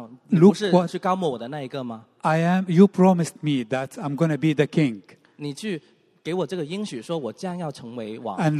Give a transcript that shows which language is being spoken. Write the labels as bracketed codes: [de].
[zh] 我的父啊，为什么你为什么是这样？你不是去高抹我的那一个吗？ [en] I am. You promised me that I'm going to be the king. [zh] 你去给我这个应许，说我将要成为王。And